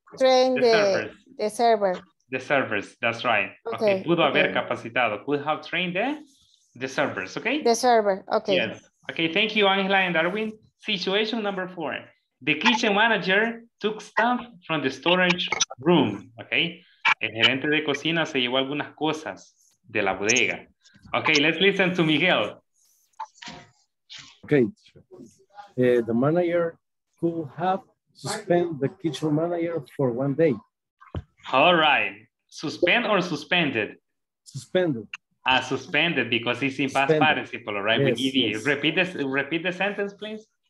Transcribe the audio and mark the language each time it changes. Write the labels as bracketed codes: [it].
[en] the server. The servers, that's right. Okay. [es] Haber capacitado. [en] Could have trained the servers, okay? The server, okay. Yes. Okay, thank you, Angela and Darwin. Situation number 4. The kitchen manager took stuff from the storage room, okay? [es] El gerente de cocina se llevó algunas cosas de la bodega. [en] Okay, let's listen to Miguel. Okay. The manager could have suspended the kitchen manager for one day. All right. Suspend or suspended? Suspended. Ah, suspended because it's in past participle, right? Yes, yes. Repeat the sentence, please.